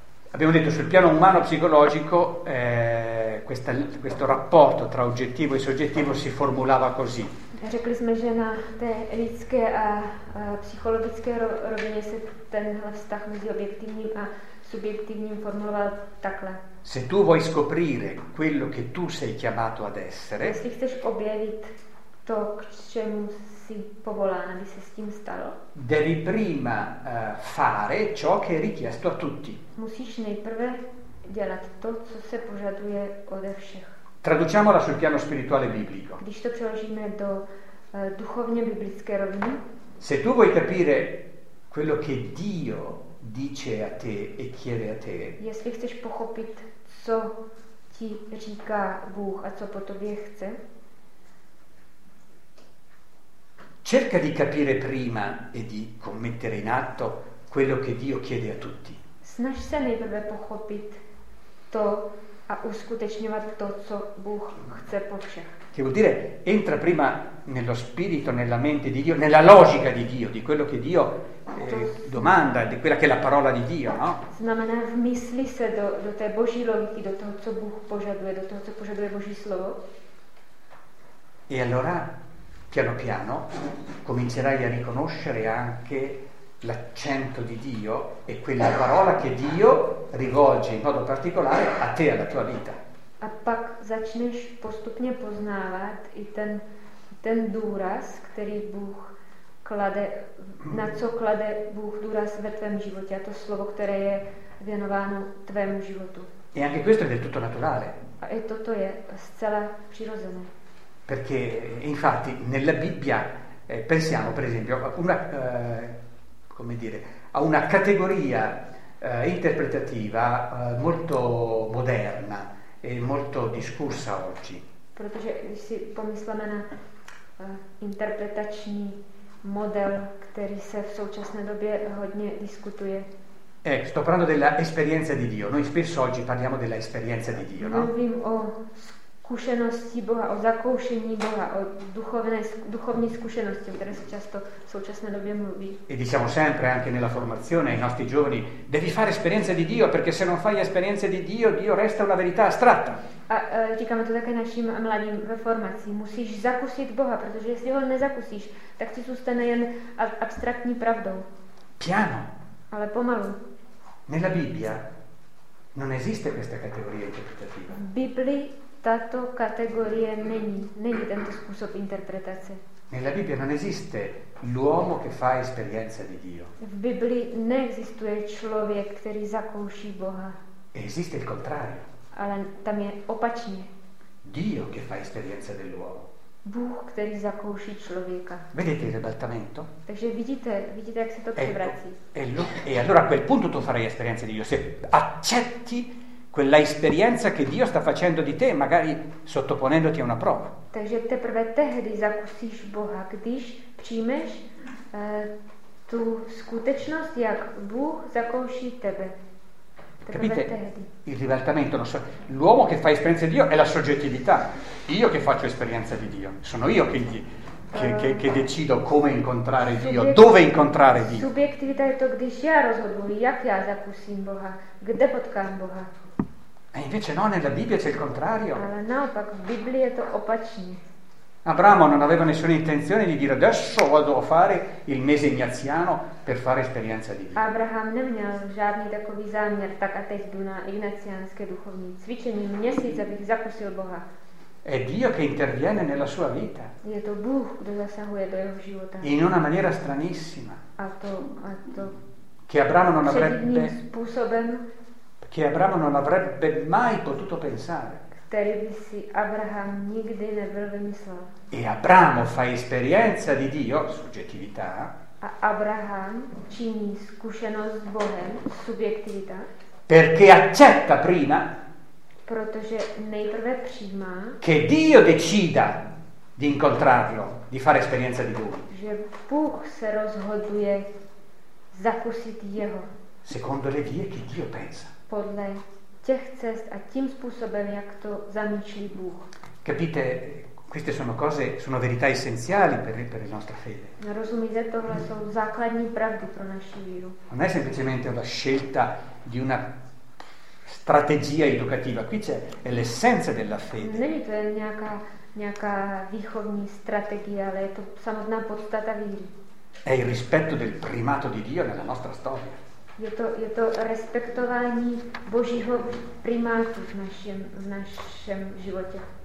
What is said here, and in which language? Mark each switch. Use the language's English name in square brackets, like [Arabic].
[Italian] Abbiamo detto sul piano umano psicologico, questo rapporto tra oggettivo e soggettivo si formulava così. [Czech] Řekli jsme, že na té lidské a psychologické rovině se tenhle vztah mezi objektivním a subjektivním formuloval takhle. [Italian] Se tu vuoi scoprire quello che tu sei chiamato ad essere. [Czech] Jestli chceš objevit to, k čemu si povolán, aby se s tím stalo. [Italian] Devi prima fare ciò che è richiesto a tutti. [Czech] Musíš nejprve dělat to, co se požaduje ode všech. [Italian] Traduciamola sul piano spirituale biblico. [Czech] Když to přeložíme do duchovně biblické roviny. [Italian] Se tu vuoi capire quello che Dio dice a te e chiede a te. [Czech] Jestli chceš pochopit, co ti říká Bůh a co po tobě chce. [Italian] Cerca di capire prima e di commettere in atto quello che Dio chiede a tutti. [Czech] Snaž se nejprve pochopit to a uskutečňovat to, co Bůh chce po všech. [Italian] Che vuol dire? Entra prima nello spirito, nella mente di Dio, nella logica di Dio, di quello che Dio domanda, di quella che è la parola di Dio, no? [Czech] Znamená, vmysli se do té Boží logiky, do toho, co Bůh požaduje, do toho, co požaduje Boží slovo. [Italian] E allora, piano piano, comincerai a riconoscere anche l'accento di Dio e quella parola che Dio rivolge in modo particolare a te, alla tua vita. [Czech] A pak začneš postupně poznávat i ten důraz, který Bůh klade, na co klade Bůh důraz ve tvém životě, a to slovo, které je věnováno tvému životu. [Italian] E anche questo è del tutto naturale. [Czech] A i toto je zcela přirozené. [Italian] Perché infatti nella Bibbia pensiamo per esempio a una come dire, a una categoria interpretativa molto moderna e molto discussa oggi. [Czech] Protože když si pomysleme na interpretační model, který se v současné době hodně diskutuje. [Italian] Sto parlando della esperienza di Dio. Noi spesso oggi parliamo della esperienza di Dio, no? [Czech] Mluvím o zkušenosti Boha, o zakoušení Boha, o duchovní zkušenosti, o které se často v současné době mluví. [Italian] E diciamo sempre anche nella formazione ai nostri giovani, devi fare esperienza di Dio, perché se non fai esperienza di Dio, Dio resta una verità astratta. [Czech] A říkáme to také našim mladým ve formaci, musíš zakusit Boha, protože jestli ho nezakusíš, tak ti zůstane jen abstraktní pravdou. [Italian] Piano. [Czech] Ale pomalu. [Italian] Nella Bibbia non esiste questa categoria interpretativa. [Czech] Biblii tato kategorie není tento způsob interpretace. [Italian] Nella Bibbia non esiste l'uomo che fa esperienza di Dio. [Czech] V Biblii neexistuje člověk, který zakouší Boha. [Italian] Esiste il contrario. [Czech] Ale tam je opačně. [Italian] Dio che fa esperienza dell'uomo. [Czech] Bůh, který zakouší člověka. [Italian] Vedete il ribaltamento? [Czech] Takže vidíte, jak se to převrací. [Italian] E allora a quel punto tu farai esperienza di Dio, se accetti quella esperienza che Dio sta facendo di te, magari sottoponendoti a una prova. [Czech] Takže teprve tehdy zakusíš Boha, když přijmeš tu skutečnost, jak Bůh zakouší tebe. [Italian] Capite? Il ribaltamento, non so, l'uomo che fa esperienza di Dio è la soggettività. Io che faccio esperienza di Dio, sono io che decido come incontrare Dio, dove incontrare Dio. [Czech] Subjektivita è to, když já rozhoduji, jak já zakusím Boha, kde potkám Boha. [Italian] E invece no, nella Bibbia c'è il contrario. [Czech] Ale naopak, v Biblii je to opačně. [Italian] Abramo non aveva nessuna intenzione di dire adesso vado a fare il mese ignaziano per fare esperienza di Dio. [Czech] Abraham neměl žádný takový záměr, tak a teď jdu na ignaciánské duchovní cvičení měsíc, abych zakusil Boha. [Italian] È Dio che interviene nella sua vita. [Czech] Je to Bůh, kdo zasahuje do jeho života. [Italian] In una maniera stranissima. [Czech] A to. [Italian] Che Abramo non avrebbe. [Czech] Způsobem, [Italian] che Abramo non avrebbe mai potuto pensare. [Czech] Který by si Abraham nikdy nebyl vymyslel. [Italian] E Abramo fa esperienza di Dio, soggettività. [Czech] A Abraham činí zkušenost s Bohem, subjektivita. [Italian] Perché accetta prima. [Czech] Protože nejprve přijímá. [Italian] Che Dio decida di incontrarlo, di fare esperienza di lui. [Czech] Že Bůh se rozhoduje zakusit jeho. [Italian] Secondo le vie che Dio pensa. [Czech] Podle těch cest a tím způsobem, jak to zamýšlí Bůh. [Italian] Capite, queste sono cose, sono verità essenziali per la nostra fede. [Czech] Rozumíte, tohle jsou základní pravdy pro naši víru. [Italian] Non è semplicemente una scelta di una strategia educativa, qui c'è l'essenza della fede. [Czech] Není to jen nějaká výchovní strategie, ale je to samotná podstata víry. [Italian] È il rispetto del primato di Dio nella nostra storia. [Czech] Je to respektování Božího primátu v našem životě.